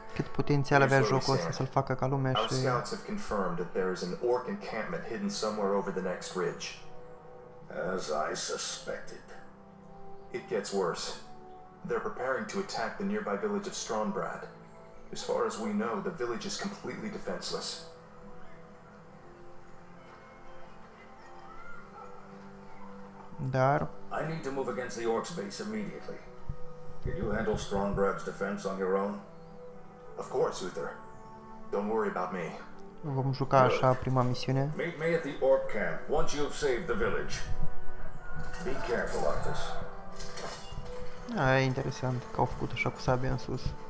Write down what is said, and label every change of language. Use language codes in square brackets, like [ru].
[ro] cât potențial avea jocul ăsta să-l facă ca lumea și... [en] Our scouts have confirmed that there is an orc encampment hidden somewhere over the next ridge. As I suspected. It gets worse. They're preparing to attack the nearby village of Strongbrad. As far as we know, the village is completely defenseless. [ro] Dar. [en] I need to move against the orcs' base immediately. Can you handle Strongbrad's defense on your own? Of course, Uther. Don't worry about me. [ro] Vom juca așa prima misiune. [en] Meet me at the orc camp once you have saved the village. Be careful, Arthas. [ro] A, e interesant că au făcut așa cu sabia în sus.